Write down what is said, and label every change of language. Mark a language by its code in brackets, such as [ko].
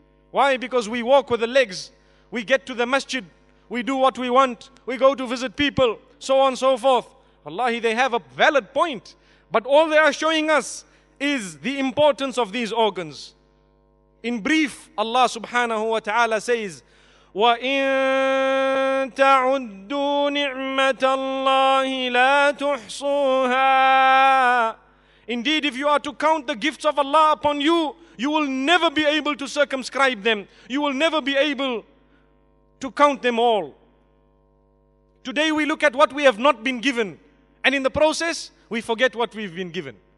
[en] Why? Because we walk with the legs. We get to the masjid. We do what we want. We go to visit people. So on and so forth. Wallahi, they have a valid point. But all they are showing us is the importance of these organs. In brief, Allah subhanahu wa ta'ala says, [ar] وإن تعدوا نعمة الله لا تحصوها. [en] Indeed, if you are to count the gifts of Allah upon you, you will never be able to circumscribe them. You will never be able to count them all. Today we look at what we have not been given, and in the process, we forget what we've been given.